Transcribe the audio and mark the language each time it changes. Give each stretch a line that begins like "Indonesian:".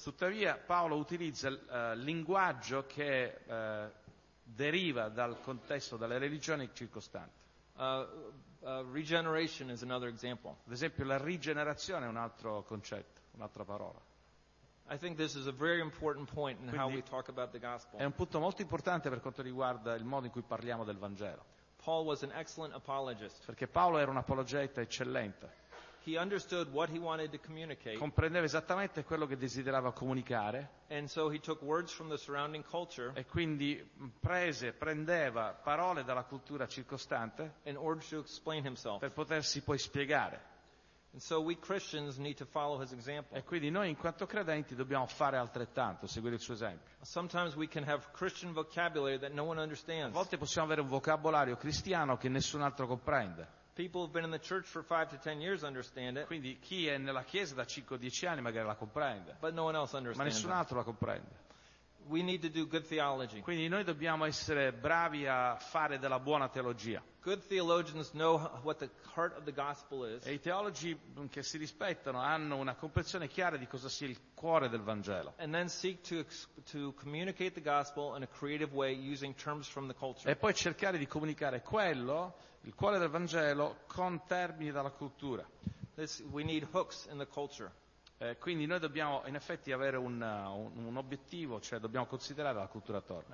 Italian: Tuttavia Paolo utilizza il linguaggio che deriva dal contesto delle religioni circostanti.
English: Regeneration is another example.
Italian: Ad esempio la rigenerazione è un altro concetto. Un'altra parola.
English: I think this is a very important point in how we talk about the gospel.
Italian: È un punto molto importante per quanto riguarda il modo in cui parliamo del Vangelo.
English: Paul was an excellent apologist.
Italian: Perché Paolo era un apologeta eccellente.
English: He understood what he wanted to communicate.
Italian: Comprendeva esattamente quello che desiderava comunicare.
English: And so he took words from the surrounding culture.
Italian: E quindi prendeva parole dalla cultura circostante.
English: In order to explain himself.
Italian: Per potersi poi spiegare.
English: And so we Christians need to follow his example.
Italian: E quindi noi in quanto credenti dobbiamo fare altrettanto, seguire il suo esempio.
English: Sometimes we can have Christian vocabulary that no one understands.
Italian: A volte possiamo avere un vocabolario cristiano che nessun altro comprende.
English: People who've been in the church for 5 to 10 years understand it.
Italian: Quindi chi è nella chiesa da 5 o 10 anni magari la comprende.
English: But no one else understands.
Italian: Ma nessun altro la comprende.
English: We need to do good theology.
Italian: Quindi noi dobbiamo essere bravi a fare della buona teologia.
English: Good theologians know what the heart of the gospel is.
Italian: E i teologi che si rispettano hanno una comprensione chiara di cosa sia il cuore del Vangelo.
English: And then seek to communicate the gospel in a creative way using terms from the culture.
Italian: E poi cercare di comunicare quello, il cuore del Vangelo, con termini dalla cultura.
English: We need hooks in the culture.
Italian: Quindi noi dobbiamo in effetti avere un obiettivo, cioè dobbiamo considerare la cultura attorno.